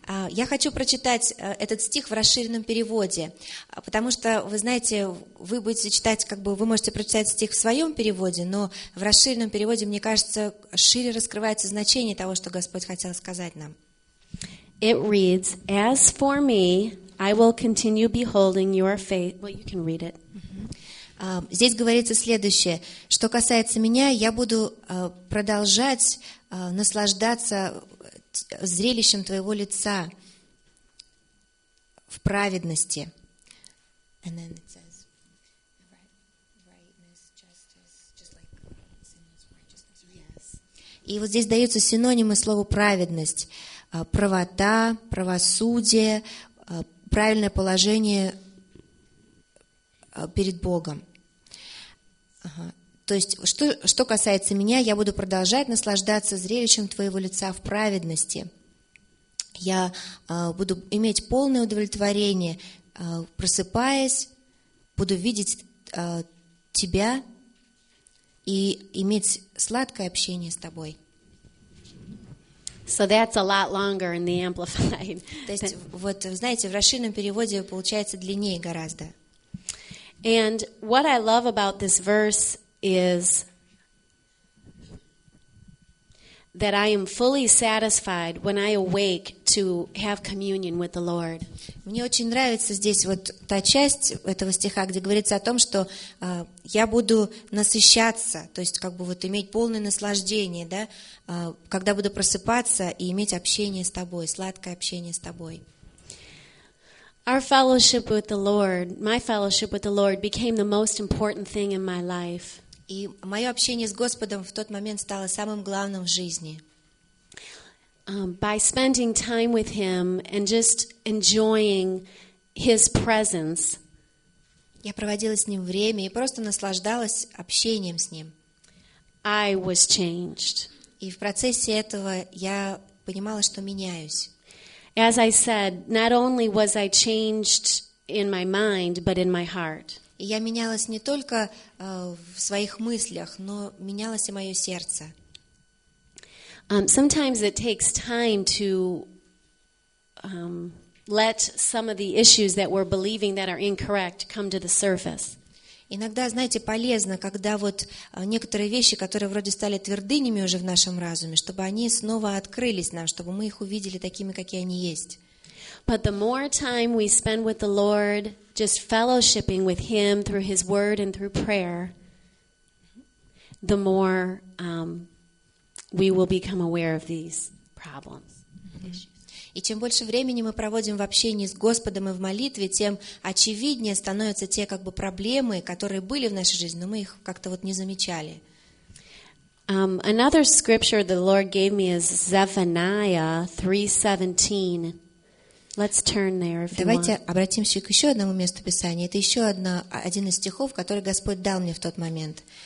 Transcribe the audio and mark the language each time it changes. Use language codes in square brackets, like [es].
[ru] Я хочу прочитать этот стих в расширенном переводе, потому что, вы знаете, вы будете читать, как бы вы можете прочитать стих в своем переводе, но в расширенном переводе, мне кажется, шире раскрывается значение того, что Господь хотел сказать нам. [en] It reads, "As for me, I will continue beholding your face." Well, you can read it. [ru] Здесь говорится следующее: что касается меня, я буду продолжать наслаждаться зрелищем твоего лица в праведности. [en] And then it says, "Rightness, justice, just like sinless righteousness." [ru] Yes. И вот здесь даются синонимы слову праведность: правота, правосудие, правильное положение перед Богом. То есть, что касается меня, я буду продолжать наслаждаться зрелищем Твоего лица в праведности. Я буду иметь полное удовлетворение, просыпаясь, буду видеть Тебя и иметь сладкое общение с Тобой. [en] So that's a lot longer in the Amplified. [ru] То есть, вот, знаете, в расширенном переводе получается длиннее гораздо. [en] And what I love about this verse is that I am fully satisfied when I awake to have communion with the Lord. [ru] Мне очень нравится здесь вот та часть этого стиха, где говорится о том, что я буду насыщаться, то есть как бы вот иметь полное наслаждение, да, когда буду просыпаться и иметь общение с Тобой, сладкое общение с Тобой. [en] Our fellowship with the Lord, my fellowship with the Lord became the most important thing in my life. [ru] И мое общение с Господом в тот момент стало самым главным в жизни. [en] By spending time with Him and just enjoying His presence. [ru] Я проводила с Ним время и просто наслаждалась общением с Ним. [en] I was changed. [ru] И в процессе этого я понимала, что меняюсь. [en] As I said, not only was I changed in my mind, but in my heart. [ru] И я менялась не только в своих мыслях, но менялось и мое сердце. [en] Sometimes it takes time to let some of the issues that we're believing that are incorrect come to the surface. [ru] Иногда, знаете, полезно, когда вот некоторые вещи, которые вроде стали твердынями уже в нашем разуме, чтобы они снова открылись нам, чтобы мы их увидели такими, какие они есть. [en] But the more time we spend with the Lord, just fellowshipping with Him through His Word and through prayer, the more we will become aware of these problems. [ru] И чем больше времени мы проводим в общении с Господом и в молитве, тем очевиднее становятся те как бы проблемы, которые были в нашей жизни, но мы их как-то вот не замечали. [en] Another scripture the Lord gave me is Zephaniah 3:17. Let's turn there, if [ru] Давайте [en] you want. [ru] Обратимся к еще одному месту Писания. Это еще один из стихов, который Господь дал мне в тот момент.